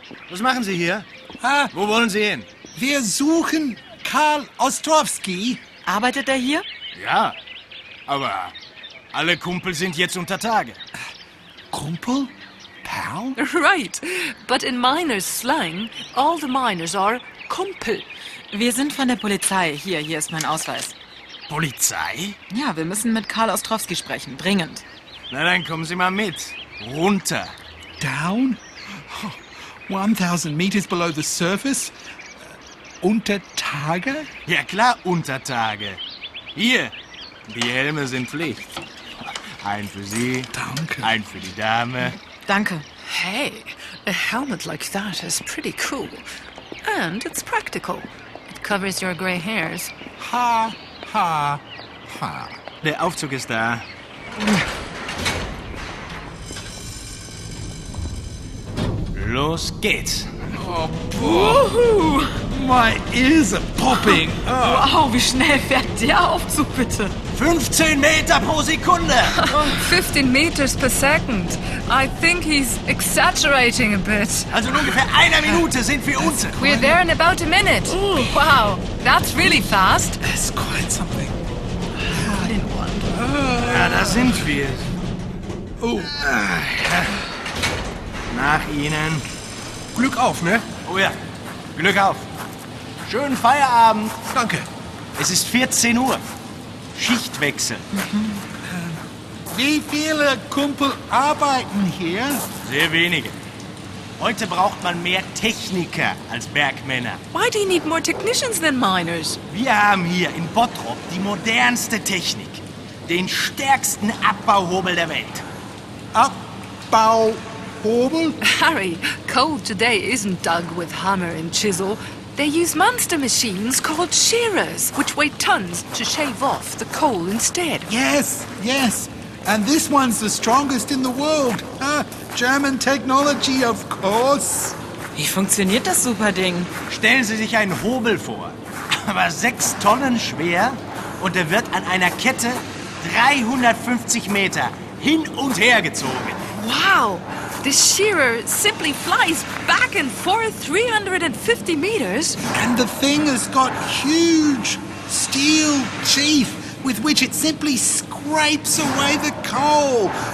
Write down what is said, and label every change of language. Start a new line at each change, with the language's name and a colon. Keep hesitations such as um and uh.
German: Was machen Sie hier? Ah, Wo wollen Sie hin? wir suchen Karl Ostrowski. Arbeitet er hier? Ja, aber alle Kumpel sind jetzt unter Tage. Kumpel? Pal?
English: Right. But in miners' slang, all the miners are kumpel.
German: Wir sind von der Polizei. Hier, hier ist mein Ausweis. Polizei? Ja, wir müssen mit Karl Ostrowski sprechen. Dringend. Na dann kommen Sie mal mit. Runter.
English: Down? 1000 meters below the surface?
German: Unter Tage? Ja klar, unter Tage. Hier, die Helme sind Pflicht. Ein für Sie, Danke. ein für die Dame. Danke.
English: Hey, a helmet like that is pretty cool. And it's practical. It covers your grey hairs. Ha, ha, ha.
German: Der Aufzug ist da. Los geht's.
English: My ears are popping.
German: Wow, wie schnell fährt der Aufzug bitte? 15 Meter pro Sekunde.
English: 15 meters per second. I think he's exaggerating a bit.
German: Also in ungefähr einer Minute sind wir unten.
English: We're there in about a minute. Wow, that's really fast. It's quite something.
German: Ja, da sind wir. Oh. Nach Ihnen. Glück auf, ne? Oh ja, Glück auf. Schönen Feierabend. Danke. Es ist 14 Uhr. Schichtwechsel. Wie viele Kumpel arbeiten hier? Sehr wenige. Heute braucht man mehr Techniker als Bergmänner.
English: Why do you need more technicians than miners?
German: Wir haben hier in Bottrop die modernste Technik. Den stärksten Abbauhobel der Welt. Abbauhobel?
English: Harry, coal today isn't dug with hammer and chisel. They use monster machines called shearers, which weigh tons to shave off the coal instead. Yes, yes. And this one's the strongest in the world. Ah, German technology, of course.
German: Wie funktioniert das super Ding? Stellen Sie sich einen Hobel vor. Aber sechs Tonnen schwer und er wird an einer Kette 350 Meter hin und her gezogen. Wow!
English: The shearer simply flies back and forth 350 meters. And the thing has got huge steel teeth with which it simply scrapes away the coal.